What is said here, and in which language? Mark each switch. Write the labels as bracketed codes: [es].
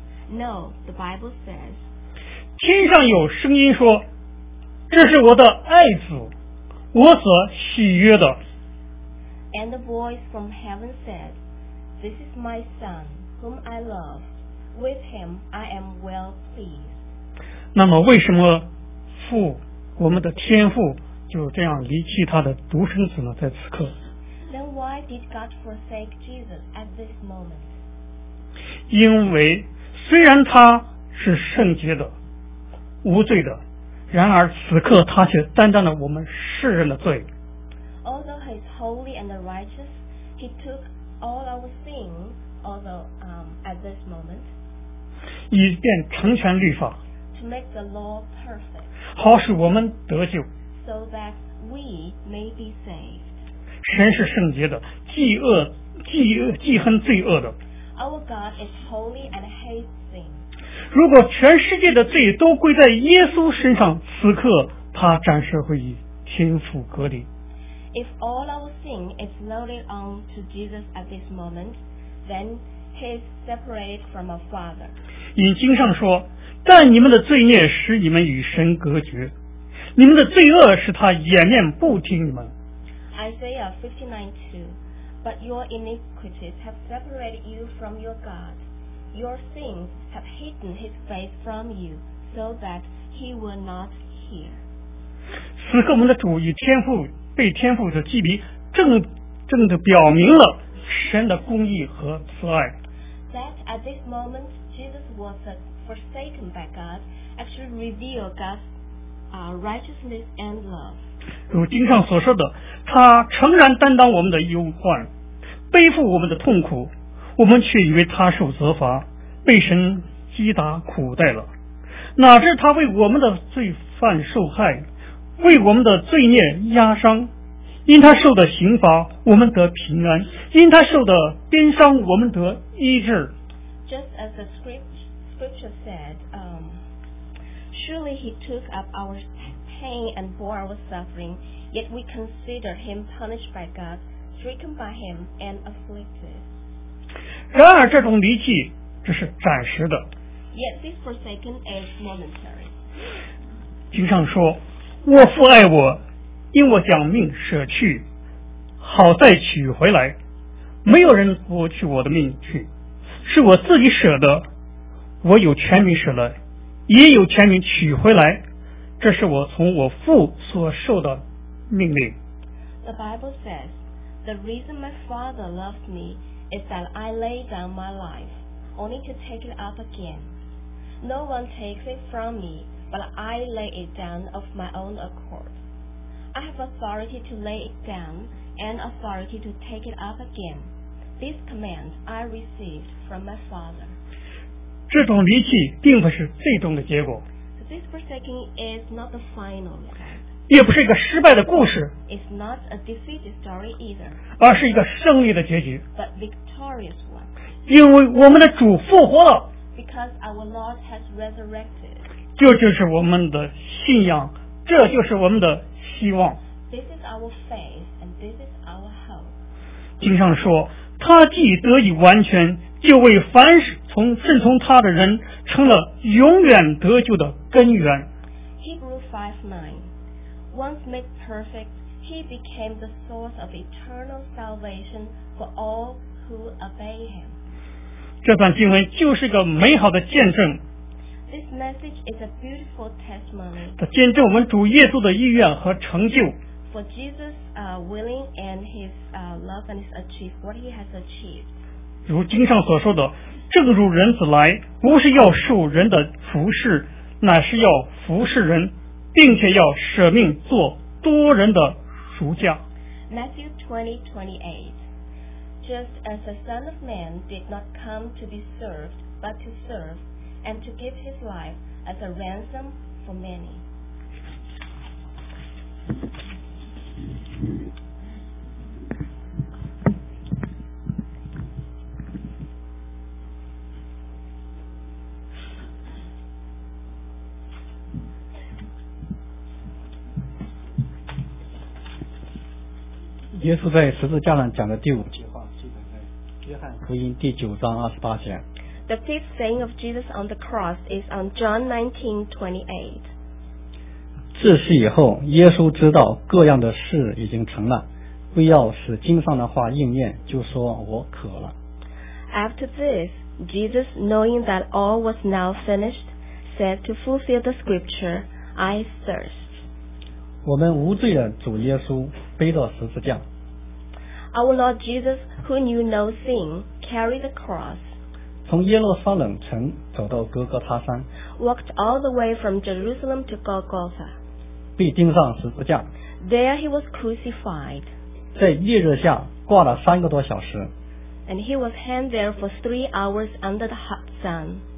[en] No, the Bible says. [zh] 天上有声音说，这是我的爱子，我所喜悦的。 [en] And the voice from heaven said, This is my son, whom I love. With him I am well pleased. [zh] 那么为什么父，我们的天父，就这样离弃他的独生子呢？在此刻。 [en] Then why did God forsake Jesus at this moment? [zh] 因为虽然他是圣洁的无罪的，然而此刻他却担当了我们世人的罪。 [en] Although he is holy and righteous, he took all our sin, although at this moment, [zh] 以便成全律法， [en] to make the law perfect, [zh] 好使我们得救， [en] so that we may be saved. [zh] 神是圣洁的，记恨罪恶的。 [en] Our God is holy and hates sin. [zh] 如果全世界的罪都归在耶稣身上，此刻他暂时会与天父隔离。 [en] If all our sin is loaded on to Jesus at this moment, then he is separated from our Father. [zh] 引经上说，但你们的罪孽使你们与神隔绝，你们的罪恶使他掩面不听你们。 [en] Isaiah 59:2, but your iniquities have separated you from your God. Your sins have hidden his face from you, so that he will not hear. [zh] 此刻我们的主与天父被天父的祭笔正正的表明了神的公义和慈爱。 [en] That at this moment Jesus was forsaken by God actually revealed God's righteousness and love. [zh] 如经上所说的，他诚然担当我们的忧患，背负我们的痛苦。我们却以为他受责罚，被神击打苦待了，哪知他为我们的罪犯受害，为我们的罪孽压伤。因他受的刑罚，我们得平安；因他受的鞭伤，我们得医治。 [en] Just as the scripture said, surely he took up our pain and bore our suffering. Yet we consider him punished by God, stricken by him and afflicted. [zh] 然而这种离弃这是暂时的。 [en] Yet this forsaken is momentary. [zh] 经上说，我父爱我，因我将命舍去，好再取回来。没有人夺去我的命去，是我自己舍的。我有权柄舍了，也有权柄取回来。这是我从我父所受的命令。 [en] The Bible says, the reason my father loves meis that I lay down my life, only to take it up again. No one takes it from me, but I lay it down of my own accord. I have authority to lay it down, and authority to take it up again. This command I received from my Father. [zh] 这种离弃并不是最终的结果。 [en] This forsaking is not the final one. [zh] 也不是一个失败的故事， [en] It's not a defeated story either, [zh] 而是一个胜利的结局。 [en] But victorious one. [zh] 因为我们的主复活了， [en] Because our Lord has resurrected. [zh] 这就是我们的信仰，这就是我们的希望。 [en] This is our faith, and this is our hope. [zh] 经上说，他既得以完全，就为凡是从顺从他的人成了永远得救的根源。 [en] Hebrews 5:9Once made perfect, he became the source of eternal salvation for all who obey him. [zh] 这段经文就是个美好的见证。 [en] This message is a beautiful testimony. [zh] 见证我们主耶稣的意愿和成就。 [en] For Jesus, willing and his love and his achieve what he has achieved. [zh] 如经上所说的，正如人子来，不是要受人的服侍，乃是要服侍人，并且要舍命做多人的赎价。 [en] Matthew 20:28. Just as the Son of Man did not come to be served, but to serve, and to give his life as a ransom for many. [zh] 耶稣在十字架上讲的第五句话，记载在约翰福音第九章二十八节。 [en] The fifth saying of Jesus on the cross is on John 19:28. [zh] 自此以后，耶稣知道各样的事已经成了，为要使经上的话应验，就说：“我渴了。” [en] After this, Jesus, knowing that all was now finished, said to fulfill the scripture, "I thirst." [zh] 我们无罪的主耶稣背到十字架。 [en] Our Lord Jesus, who knew no sin, carried the cross. [zh] 从耶路撒冷城走到哥哥他山。 [en] Walked all the way from Jerusalem to Golgotha. [zh] 被钉上十字架。 [en] There he was crucified. [zh] 在烈日下挂了三个多小时。 [en] And he was hanged there for 3 hours under the hot sun.